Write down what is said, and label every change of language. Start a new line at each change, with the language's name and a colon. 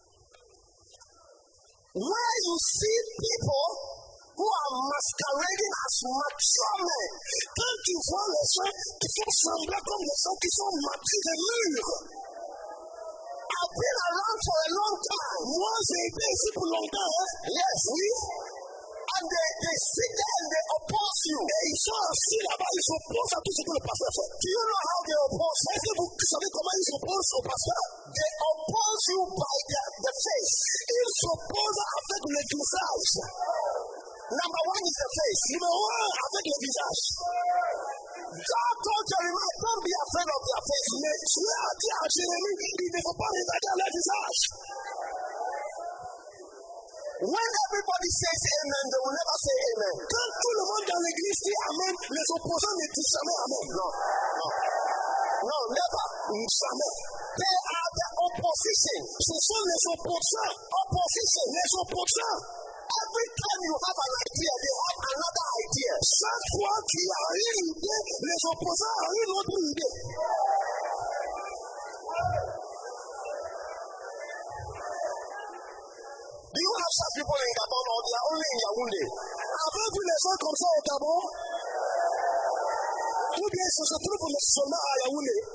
English: Where you see people who are masquerading as mature men.
French: Quand tu vois les gens qui font semblant comme les gens qui sont matures et mûrs.
English: I've been around for a long time.
French: Moi, j'ai été ici pour longtemps. Hein?
English: Yes.
French: Oui.
English: And they sit there and they oppose you.
French: Et ils sont assis là-bas, ils s'opposent à tout ce que le pasteur fait.
English: Do you know how they oppose?
French: Est-ce que vous savez comment ils s'opposent au pasteur?
English: They oppose you by the face.
French: Ils s'opposent avec le visage.
English: Number one is the face.
French: Numéro un, avec le visage.
English: God told Jeremiah, don't be afraid of your face.
French: Mais tu as dit à Jérémie, il ne faut pas regarder le visage.
English: When everybody says amen, they will never say amen.
French: Quand tout le monde dans l'église dit amen, les opposants ne disent jamais amen. Non, non. Non,
English: never.
French: Jamais.
English: They are the opposition.
French: Ce sont les opposants.
English: Opposition.
French: Les opposants.
English: Every time you have an idea, they have another idea.
French: Chaque fois qu'il y a une idée, les opposants ont une autre idée.
English: Do you have such people in Gabon or they are only in Yaoundé? Have you
French: les gens comme ça au Gabon? Ou bien ce sont tous les soldats à Yaoundé?